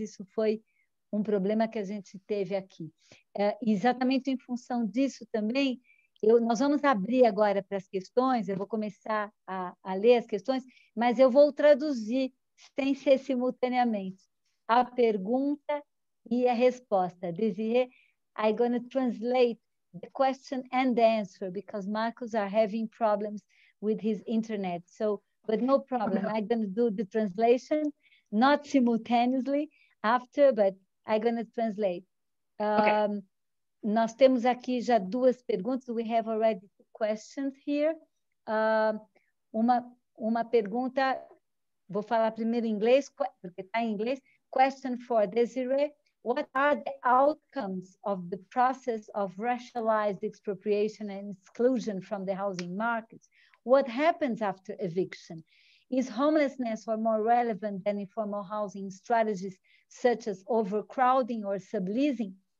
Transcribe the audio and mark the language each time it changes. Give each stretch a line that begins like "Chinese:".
Portuguese: Isso foi um problema que a gente teve aqui. Exatamente em função disso também, nós vamos abrir agora para as questões, eu vou começar a ler as questões, mas eu vou traduzir, sem ser simultaneamente, a pergunta e a resposta.
English: Desirê, I'm going to translate the question and the answer because Marcos are having problems with his internet. So, but no problem, I'm going to do the translation, not simultaneously, after, but I'm going to translate.
Portuguese: Okay. Nós temos aqui já duas perguntas.
English: We have already two questions here.
Portuguese: Uma pergunta, vou falar primeiro em inglês, porque está em inglês.
English: Question for Desiree. What are the outcomes of the process of racialized expropriation and exclusion from the housing markets? What happens after eviction? Is homelessness or more relevant than informal housing strategies such as overcrowding or subleasing?